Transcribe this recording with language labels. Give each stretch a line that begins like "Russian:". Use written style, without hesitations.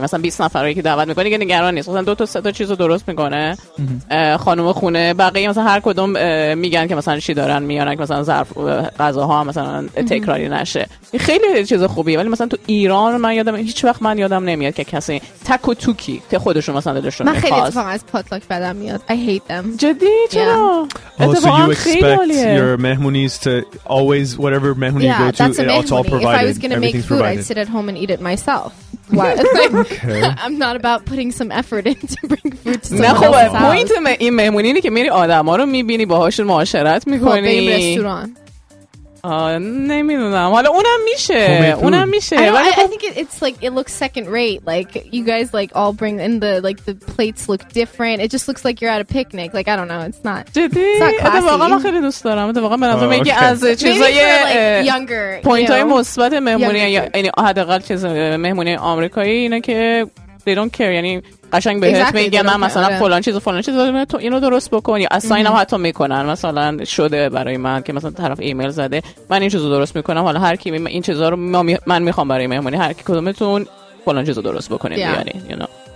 Persian: مثلا 20 نفری که دعوت می‌کنی که نگران نیست، مثلا دو تا سه تا چیزو درست می‌کنه خانم خونه، بقیه مثلا هر کدوم میگن که مثلا چی دارن میارن که مثلا ظرف غذاها مثلا تکراری نشه. خیلی چیز خوبیه. ولی مثلا تو ایران من یادم هیچ وقت من یادم نمیاد که کسی تک و توکی که خودشون مثلا دلشون می‌خواد. من خیلی اتفاقا از پاتلاک بدم میاد.
English: I hate them.
Persian: جدی؟ چرا؟
English: You expect your mehmunis to always, whatever mehmuni yeah, you go to, it's all provided. If I was going to make food, I'd sit at home and eat it myself. I'm not about putting some effort in to bring food to someone else's house.
Persian: Point این مهمونی اینه که میری آدم ها رو میبینی باهاشون معاشرت میکنی. خب بریم رستوران. نمیدونم. حالا اونم میشه. اونم میشه.
English: I think it's like it looks second rate. Like you guys like all bring in the like the plates look different. It just looks like you're at a picnic. Like I don't know. It's not.
Persian: جدی. اتفاقا واقعا من خیلی دوست دارم. اتفاقا من از میگی از چیزای
English: younger.
Persian: پوینتای مثبت مهمونی یعنی حداقل چیز مهمونی آمریکایی اینه که
English: they don't care
Persian: یعنی قشنگ بهت میگه من مثلا فلان چیز و فلان چیز داره تو اینو درست بکنی اساین هم حتی میکنن مثلا شده برای من که مثلا طرف ایمیل زده من این چیزو درست میکنم حالا هر کی این چیزا رو من میخوام برای مهمونی هر کی کدومتون فلان چیزو درست بکنید یعنی
English: you know.